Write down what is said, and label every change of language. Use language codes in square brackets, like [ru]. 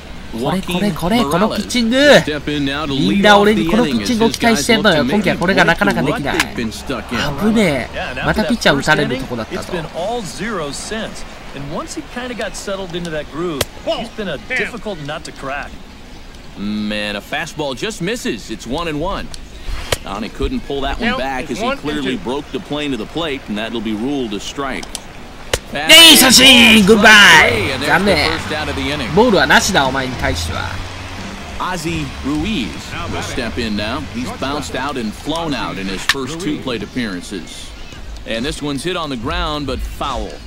[ja] これこれこれ、このピッチング、みんな俺にこのピッチングを期待してんのよ。今季はこれがなかなかできない。危ねえ、またピッチャー打たれるとこだったと。 [en] Man, a fastball just misses. It's 1-1. And he couldn't pull that one back as he clearly broke the plane of the plate, and that'll be ruled a strike. Hey, Sashi! Goodbye! [ja] 残念。ボールはなしだ、お前に対しては。 [en] Ozzie Ruiz will step in now. He's bounced out and flown out in his first two plate appearances. And this one's hit on the ground, but foul.